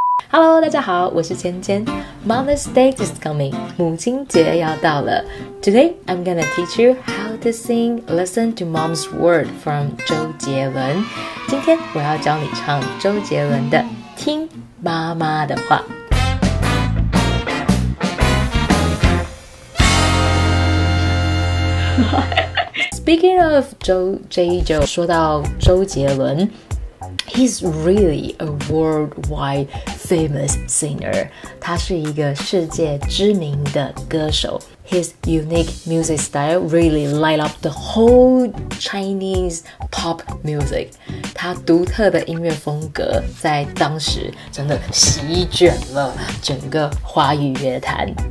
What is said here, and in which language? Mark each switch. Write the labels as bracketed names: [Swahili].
[Chinese] Hello， 大家好，我是芊芊。 [English] Mother's Day is coming， [Chinese] 母亲节要到了。 [English] Today I'm gonna teach you how to sing "Listen to Mom's Word" from 周杰伦。 [Chinese] 今天我要教你唱周杰伦的《听妈妈的话》。 [English] Speaking of Jay Chou, [Chinese] 说到周杰伦。 [English] He's really a worldwide famous singer. [Chinese] 他是一个世界知名的歌手。 [English] His unique music style really light up the whole Chinese pop music. [Chinese] 他独特的音乐风格在当时真的席卷了整个华语乐坛。